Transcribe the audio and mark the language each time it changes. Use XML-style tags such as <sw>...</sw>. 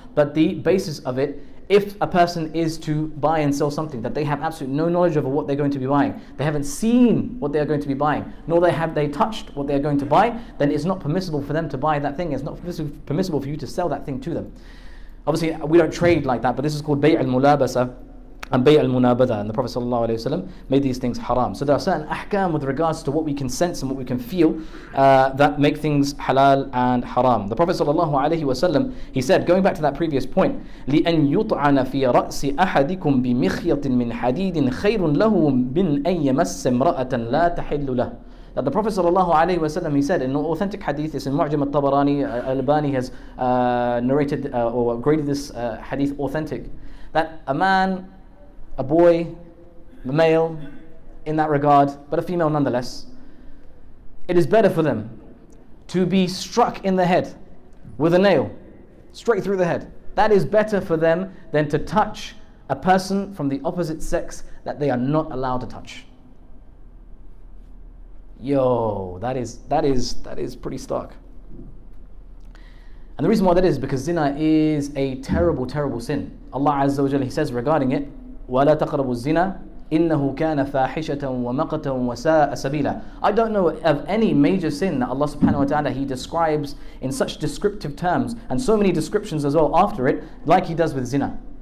<en>But the basis of it, if a person is to buy and sell something that they have absolutely no knowledge over what they're going to be buying, they haven't seen what they are going to be buying, nor have they touched what they are going to buy, then it's not permissible for them to buy that thing. It's not permissible for you to sell that thing to them. Obviously, we don't trade like that, but this is called bay' al-mulabasa and bay' al-munabada, and the Prophet sallallahu alaihi wasallam made these things haram. So there are certain ahkam with regards to what we can sense and what we can feel that make things halal and haram. The Prophet sallallahu alaihi wasallam, he said, going back to that previous point,</en> <ar>لِأَنْ يُطْعَنَ فِي رَأْسِ أَحَدِكُمْ بِمِخْيَطٍ مِّنْ حَدِيدٍ خَيْرٌ لَهُ مِّنْ أَنْ يَمَسَّ امْرَأَةً لَا تَحِلُّ لَهُ.</ar> <en>That the Prophet sallallahu alaihi wasallam, he said in an authentic hadith, it's in Mu'jam al-Tabarani, Al-Albani has narrated or graded this hadith authentic, that a man, a boy, a male in that regard, but a female nonetheless, it is better for them to be struck in the head with a nail, straight through the head. That is better for them than to touch a person from the opposite sex that they are not allowed to touch. Yo, that is pretty stark. And the reason why that is because zina is a terrible, terrible sin. Allah Azza wa Jalla, he says regarding it,</en> <ar>وَلَا تَقْرَبُوا الزِّنَا إِنَّهُ كَانَ فَاحِشَةً وَمَقَتًا وَسَاءَ سَبِيلًا.</ar> <en>I don't know of any major sin that Allah subhanahu wa ta'ala, he describes in such descriptive terms and so many descriptions as well after it, like he does with zina.</en>